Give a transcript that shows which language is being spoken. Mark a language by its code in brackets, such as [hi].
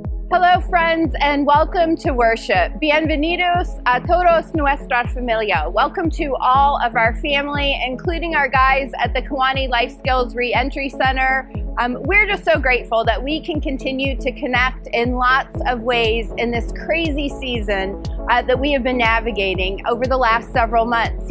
[en] Hello, friends, and welcome to worship. [es] Bienvenidos a todos nuestra familia. [en] Welcome to all of our family, including our guys at the Kiwani Life Skills Reentry Center. We're just so grateful that we can continue to connect in lots of ways in this crazy season that we have been navigating over the last several months.